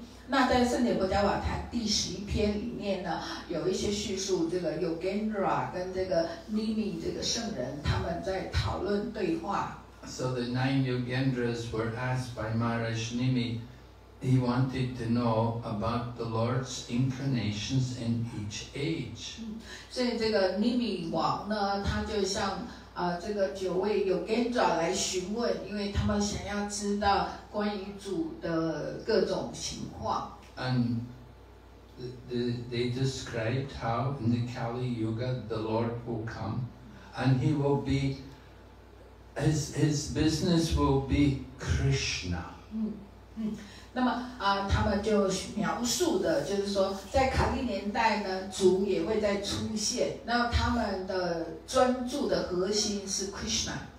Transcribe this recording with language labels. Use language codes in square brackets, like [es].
[zh] 那在圣典伯加瓦坛第十一篇里面呢，有一些叙述这个 yogendra 跟这个 Nimi 这个圣人他们在讨论对话。 [en] So the nine yogendras were asked by Maharaj Nimi. He wanted to know about the Lord's incarnations in each age. [zh] 所以这个尼米王呢，他就向这个九位有跟爪来询问，因为他们想要知道关于主的各种情况。 [en] And they described how in the Kali Yuga the Lord will come, and he will be his business will be Krishna. [zh] 那么他们就描述的就是说在卡利年代呢主也会再出现，那他们的专注的核心是 Krishna。